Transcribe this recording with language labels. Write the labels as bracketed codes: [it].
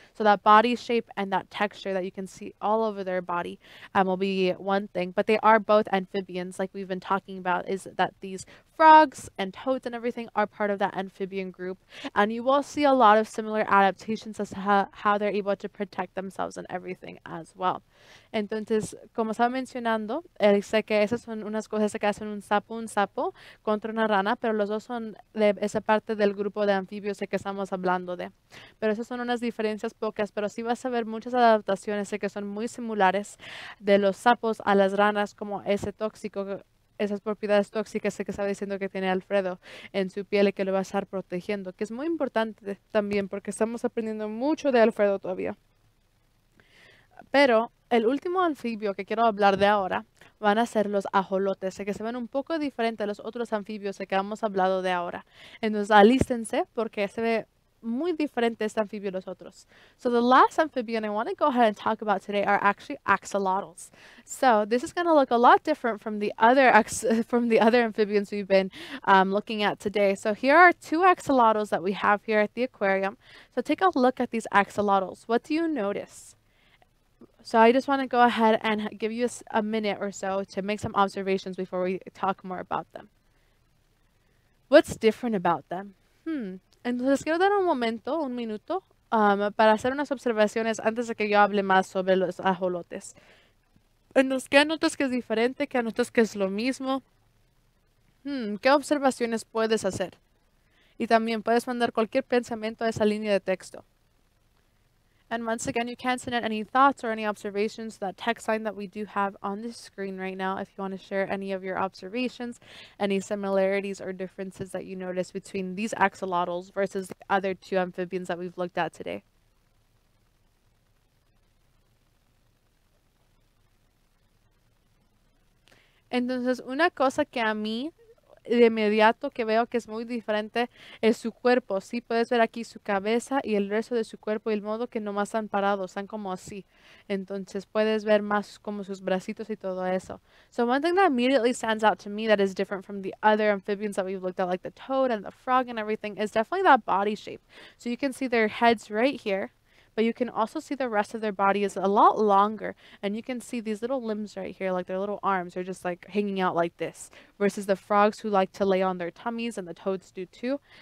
[en] So that body shape and that texture that you can see all over their body will be one thing. But they are both amphibians, like we've been talking about, is that these frogs and toads and everything are part of that amphibian group. And you will see a lot of similar adaptations as to how they're able to protect themselves and everything as well. [es] Entonces, como estaba mencionando, dice que esas son unas cosas que hacen un sapo contra una rana, pero los dos son de esa parte del grupo de anfibios de que estamos hablando de. Pero esas son unas diferencias pocas, pero sí vas a ver muchas adaptaciones de que son muy similares de los sapos a las ranas, como ese tóxico, esas propiedades tóxicas que estaba diciendo que tiene Alfredo en su piel y que lo va a estar protegiendo, que es muy importante también porque estamos aprendiendo mucho de Alfredo todavía. Pero el último anfibio que quiero hablar de ahora van a ser los ajolotes, sé que se ven un poco diferente a los otros anfibios de que hemos hablado de ahora. Entonces, alístense porque se ve muy diferente este anfibio a los otros. [en] So the last amphibian I want to go ahead and talk about today are actually axolotls. So this is going to look a lot different from the other amphibians we've been looking at today. So here are two axolotls that we have here at the aquarium. So take a look at these axolotls. What do you notice? So I just want to go ahead and give you a minute or so to make some observations before we talk more about them. What's different about them? [es] Entonces quiero dar un momento, un minuto, para hacer unas observaciones antes de que yo hable más sobre los ajolotes. Entonces, ¿qué notas que es diferente? ¿Qué notas que es lo mismo? ¿Qué observaciones puedes hacer? Y también puedes mandar cualquier pensamiento a esa línea de texto. [en] And once again, you can send in any thoughts or any observations to that text line that we do have on the screen right now if you want to share any of your observations, any similarities or differences that you notice between these axolotls versus the other two amphibians that we've looked at today. [es] Entonces, una cosa que a mí de inmediato que veo que es muy diferente es su cuerpo. Sí, puedes ver aquí su cabeza y el resto de su cuerpo y el modo que nomás están parados, están como así. Entonces puedes ver más como sus bracitos y todo eso. [en] So one thing that immediately stands out to me that is different from the other amphibians that we've looked at, like the toad and the frog and everything, is definitely that body shape. So you can see their heads right here, but you can also see the rest of their body is a lot longer. And you can see these little limbs right here, like their little arms are just like hanging out like this, versus the frogs who like to lay on their tummies and the toads do too.